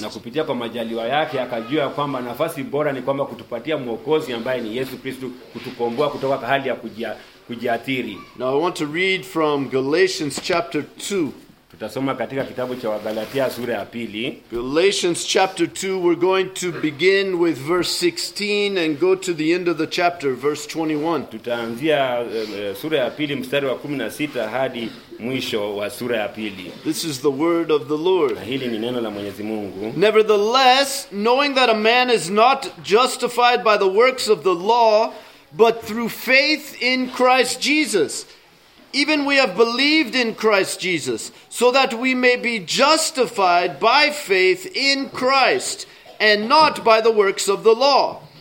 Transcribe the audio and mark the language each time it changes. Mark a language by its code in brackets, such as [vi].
[sw] Na kupitia kwa majaliwa yake akajua kwamba nafasi bora ni kwamba kutupatia mwokozi ambaye ni Yesu Kristo kutukomboa kutoka hali ya kujiathiri. [en] Now I want to read from Galatians chapter 2. [sw] Tutasoma katika kitabu cha Wagalatia sura ya pili. [en] Galatians chapter 2, we're going to begin with verse 16 and go to the end of the chapter, verse 21. [sw] Tutaanzia sura ya pili mstari wa 16 hadi mwisho wa sura ya pili. [en] This is the word of the Lord. [sw] Hili ni neno la Mwenyezi Mungu. [en] Nevertheless, knowing that a man is not justified by the works of the law, but through faith in Christ Jesus. Even we have believed in Christ Jesus, so that we may be justified by faith in Christ, and not by the works of the law.